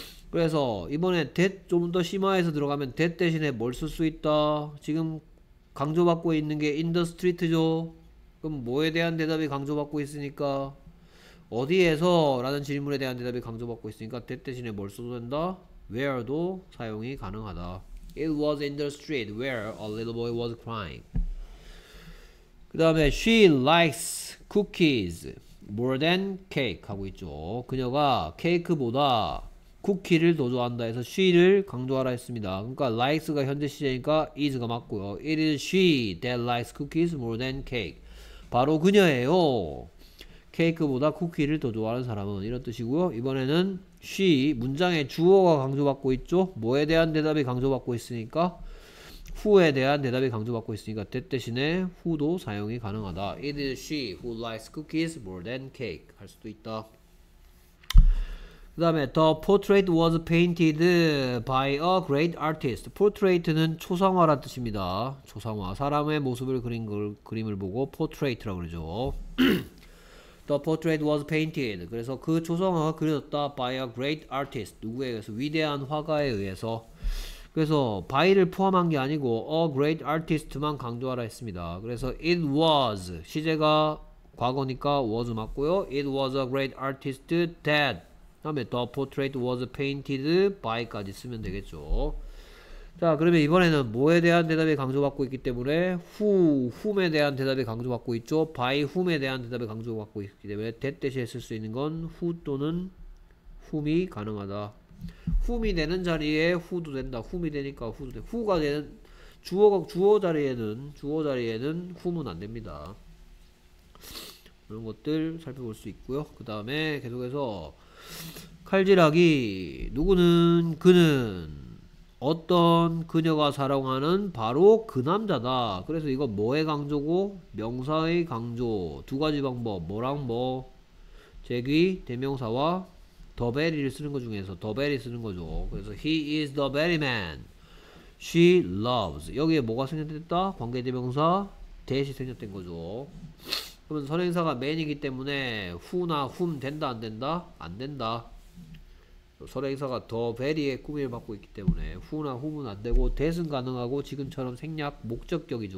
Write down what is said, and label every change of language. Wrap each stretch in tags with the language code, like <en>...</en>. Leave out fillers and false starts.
<ko>그래서 이번에 that 좀더 심화해서 들어가면 that 대신에 뭘쓸수 있다? 지금 강조받고 있는 게</ko> <en>in the street</en> <ko>죠. 그럼 뭐에 대한 대답이 강조받고 있으니까 어디에서라는 질문에 대한 대답이 강조받고 있으니까 that 대신에 뭘 써도 된다? where도 사용이 가능하다.</ko> <en>It was in the street where a little boy was crying.</en> <ko>그 다음에</ko> <en>she likes cookies more than cake</en> <ko>하고 있죠. 그녀가 케이크보다 쿠키를 더 좋아한다 해서 she를 강조하라 했습니다. 그러니까 likes가 현재 시제니까 is가 맞고요.</ko> <en>It is she that likes cookies more than cake.</en> <ko>바로 그녀예요. 케이크보다 쿠키를 더 좋아하는 사람은 이런 뜻이고요. 이번에는 she 문장의 주어가 강조받고 있죠. 뭐에 대한 대답이 강조받고 있으니까 who에 대한 대답이 강조받고 있으니까 that 대신에 who도 사용이 가능하다.</ko> <en>It is she who likes cookies more than cake</en> <ko>할 수도 있다. 그 다음에</ko> <en>the portrait was painted by a great artist.</en> <ko>portrait는 초상화란 뜻입니다. 초상화. 사람의 모습을 그린 걸 그림을 보고 portrait라고 그러죠.</ko> <en>the portrait was painted.</en> <ko>그래서 그 초상화가 그려졌다.</ko> <en>by a great artist.</en> <ko>누구에 의해서? 위대한 화가에 의해서. 그래서 by를 포함한 게 아니고 a great artist만 강조하라 했습니다. 그래서 it was 시제가 과거니까 was 맞고요.</ko> <en>it was a great artist that</en> <ko>다음에</ko> <en>the portrait was painted by</en> <ko>까지 쓰면 되겠죠. 자, 그러면 이번에는 뭐에 대한 대답이 강조받고 있기 때문에 whom에 대한 대답이 강조받고 있죠. by whom에 대한 대답이 강조받고 있기 때문에 that 대신에 쓸수 있는 건 who 또는 whom이 가능하다. whom이 되는 자리에 who도 된다. whom이 되니까 who도 돼. who가 되는 주어 자리에는 whom은 안 됩니다. 이런 것들 살펴볼 수 있고요. 그 다음에 계속해서 칼질하기 누구는 그는 어떤 그녀가 사랑하는 바로 그 남자다. 그래서 이거 뭐의 강조고 명사의 강조 두 가지 방법 뭐랑 뭐 제귀 대명사와 더베리를 쓰는 것 중에서 더베리 쓰는 거죠. 그래서</ko> <en>he is the very man she loves.</en> <ko>여기에 뭐가 생략됐다? 관계대명사 대시 생략된 거죠. 그러면 선행사가 main이기 때문에 who나 whom 된다 안 된다? 안 된다. 선행사가 더 베리의 꾸밈을 받고 있기 때문에 후나 후문 안 되고 대승 가능하고 지금처럼 생략 목적격이죠.</ko>